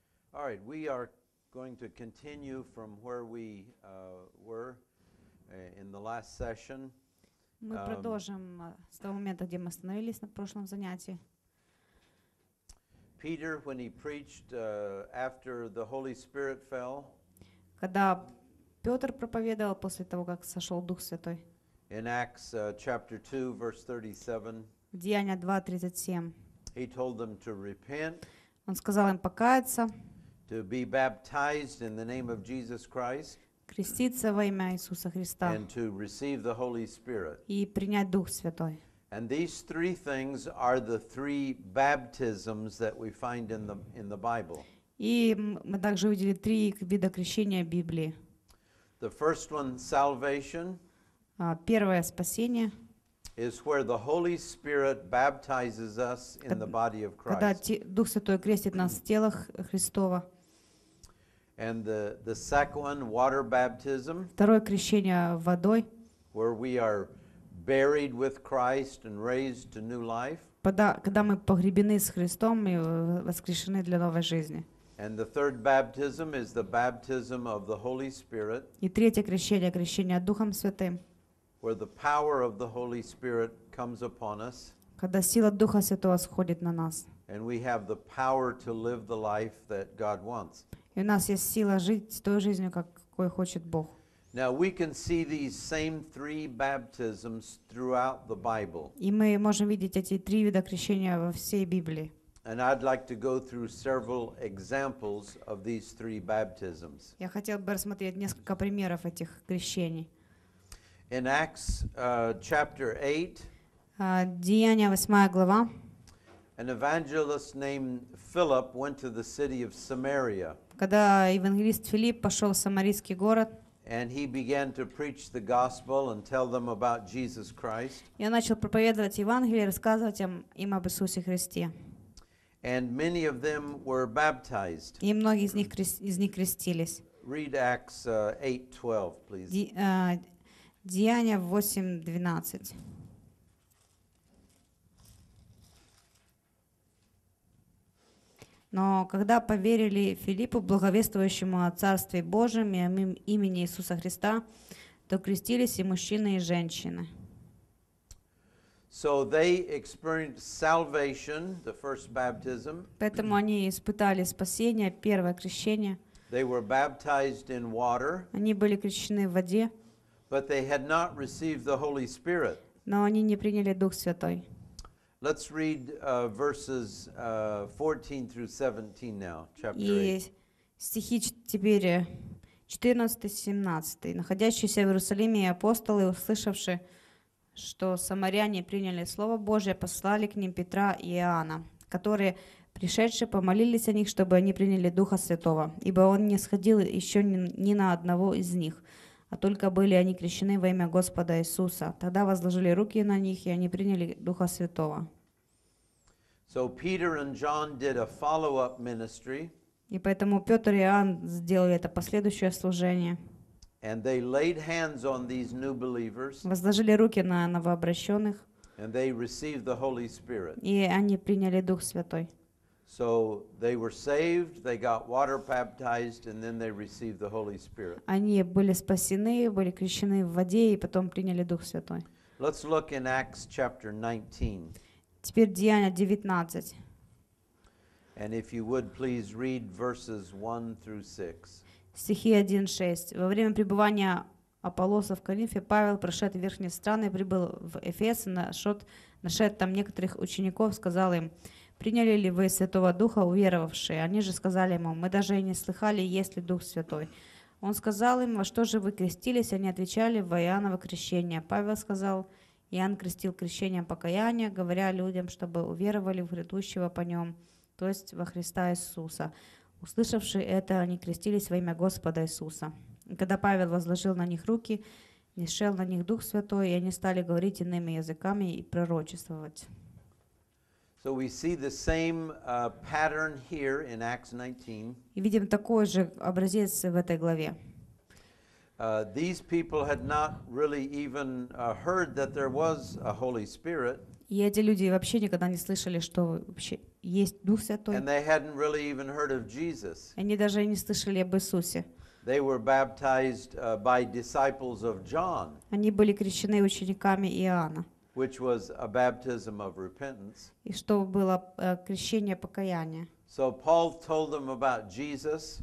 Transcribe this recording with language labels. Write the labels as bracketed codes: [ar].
[en] All right, we are going to continue from where we were in the last session. [ru] Мы продолжим с того момента, где мы остановились на прошлом занятии. [en] Peter, when he preached after the Holy Spirit fell. [ru] Когда Петр проповедовал после того, как сошел Дух Святой. [en] In Acts chapter 2, verse 37. [ru] В Деяния 2:37. [en] He told them to repent. [ru] Он сказал им покаяться. [en] To be baptized in the name of Jesus Christ. [ru] Креститься во имя Иисуса Христа. [en] And to receive the Holy Spirit. [ru] И принять Дух Святой. [en] And these three things are the three baptisms that we find in the Bible. [ru] И мы также увидели три вида крещения в Библии. [en] The first one, salvation. [ru] Первое спасение. [en] Is where the Holy Spirit baptizes us in the body of Christ. [ru] Когда Дух Святой крестит нас в тело Христово. [en] And the second one, water baptism. [ru] Второе крещение водой. [en] Where we are buried with Christ and raised to new life. [ru] Когда мы погребены с Христом и воскрешены для новой жизни. [en] And the third baptism is the baptism of the Holy Spirit. [ru] И третье крещение — крещение Духом Святым. [en] Where the power of the Holy Spirit comes upon us. [ru] Когда сила Духа Святого сходит на нас. [en] And we have the power to live the life that God wants. [ru] И у нас есть сила жить той жизнью, какой хочет Бог. [en] Now we can see these same three baptisms throughout the Bible. [ru] И мы можем видеть эти три вида крещения во всей Библии. [en] And I'd like to go through several examples of these three baptisms. [ru] Я хотел бы рассмотреть несколько примеров этих крещений. [en] In Acts chapter 8, [ru] Деяния 8 глава, [en] an evangelist named Philip went to the city of Samaria. [ru] Когда евангелист Филипп пошел в самарийский город, [en] and he began to preach the gospel and tell them about Jesus Christ. [ru] И он начал проповедовать Евангелие, рассказывать им об Иисусе Христе. [en] And many of them were baptized. [ru] И многие из них крестились. [en] Read Acts 8:12, please. [ru] Деяния 8:12. Но когда поверили Филиппу, благовествующему о Царстве Божьем и о имени Иисуса Христа, то крестились и мужчины, и женщины. [en] So they experienced salvation, the first baptism. [ru] Поэтому они испытали спасение, первое крещение. [en] They were baptized in water. [ru] Они были крещены в воде. [en] But they had not received the Holy Spirit. [ru] Но они не приняли Дух Святой. [en] Let's read verses 14 through 17 now, chapter 8. [ru] И стихи теперь 14-17. Находящиеся в Иерусалиме и апостолы, услышавши, что самаряне приняли Слово Божие, послали к ним Петра и Иоанна, которые, пришедшие, помолились о них, чтобы они приняли Духа Святого, ибо он не сходил еще ни на одного из них. А только были они крещены во имя Господа Иисуса. Тогда возложили руки на них, и они приняли Духа Святого. [en] So Peter and John did a follow-up ministry. [ru] И поэтому Петр и Иоанн сделали это последующее служение. [en] And they laid hands on these new believers. [ru] Возложили руки на новообращенных. [en] And they received the Holy Spirit. [ru] И они приняли Дух Святой. [en] So they were saved, they got water baptized, and then they received the Holy Spirit. [ru] Они были спасены, были крещены в воде, и потом приняли Дух Святой. [en] Let's look in Acts chapter 19. [ru] Теперь Деяния 19. [en] And if you would, please read verses 1 through 6. [ru] Стихи 1-6. Во время пребывания Аполлоса в Коринфе, Павел, прошед верхние страны, прибыл в Эфес, нашед там некоторых учеников, сказал им: «Приняли ли вы Святого Духа, уверовавшие?» Они же сказали ему: «Мы даже и не слыхали, есть ли Дух Святой». Он сказал им: «Во что же вы крестились?» Они отвечали: «Во Иоанново крещение». Павел сказал: «Иоанн крестил крещением покаяния, говоря людям, чтобы уверовали в грядущего по нем, то есть во Христа Иисуса. Услышавши это, они крестились во имя Господа Иисуса. И когда Павел возложил на них руки, нисшел на них Дух Святой, и они стали говорить иными языками и пророчествовать». [en] So we see the same pattern here in Acts 19. [ru] И видим такой же образец в этой главе. [en] These people had not really even heard that there was a Holy Spirit. [ru] И эти люди вообще никогда не слышали, что вообще есть Дух Святой. [en] And they hadn't really even heard of Jesus. [ru] Они даже не слышали об Иисусе. [en] They were baptized by disciples of John. [ru] Они были крещены учениками Иоанна. [en] Which was a baptism of repentance. [ru] И что было крещение покаяния. [en] So Paul told them about Jesus.